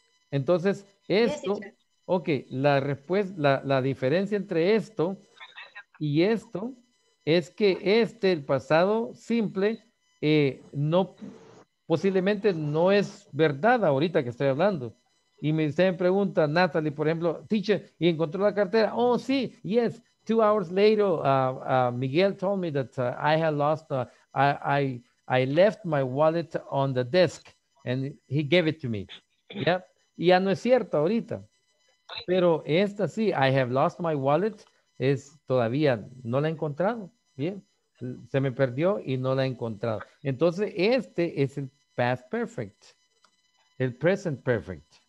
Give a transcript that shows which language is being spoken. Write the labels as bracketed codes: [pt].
[es] Entonces, esto, ok, la respuesta, la diferencia entre esto y esto es que este, el pasado simple, no, posiblemente no es verdad ahorita que estoy hablando. Y usted me pregunta, Natalie, por ejemplo, teacher, ¿y encontró la cartera? [en] Oh, sí, yes, 2 hours later, Miguel told me that I had lost, I left my wallet on the desk and he gave it to me. [es] Yeah? Y ya no es cierto ahorita. Pero esta sí, [en] I have lost my wallet, [es] es todavía, no la he encontrado. Bien, se me perdió y no la he encontrado. Entonces, este es el past perfect, el present perfect.